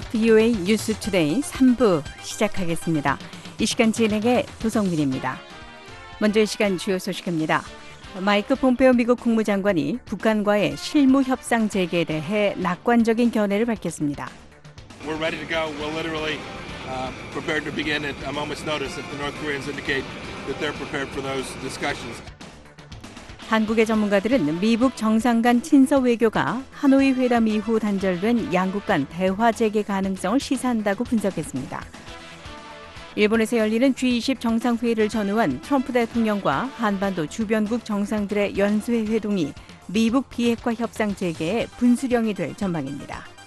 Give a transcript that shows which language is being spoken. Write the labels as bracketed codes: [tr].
[ko] VOA 뉴스 투데이 3부 시작하겠습니다. 이 시간 진행의 도성민입니다. 먼저 이 시간 주요 소식입니다. 마이크 폼페오 미국 국무장관이 북한과의 실무 협상 재개에 대해 낙관적인 견해를 밝혔습니다. [en] We're ready to go. We're literally prepared to begin at a moment's notice if the North Koreans indicate that they're prepared for those discussions. [ko] 한국의 전문가들은 미북 정상 간 친서 외교가 하노이 회담 이후 단절된 양국 간 대화 재개 가능성을 시사한다고 분석했습니다. 일본에서 열리는 G20 정상회의를 전후한 트럼프 대통령과 한반도 주변국 정상들의 연쇄 회동이 미북 비핵화 협상 재개의 분수령이 될 전망입니다.